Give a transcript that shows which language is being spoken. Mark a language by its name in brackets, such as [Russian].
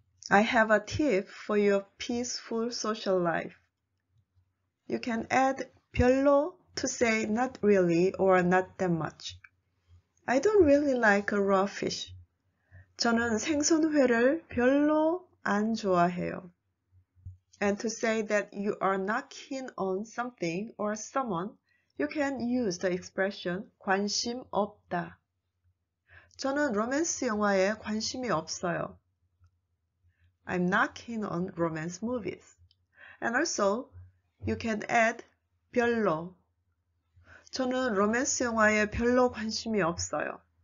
[English] I have a tip for your peaceful social life. You can add 별로 to say not really or not that much. I don't really like raw fish. [Korean] 저는 생선회를 별로 안 좋아해요. [English] And to say that you are not keen on something or someone, you can use the expression 관심 없다. [Korean] 저는 로맨스 영화에 관심이 없어요. [English] I'm not keen on romance movies. And also, you can add 별로. [Korean] 저는 로맨스 영화에 별로 관심이 없어요.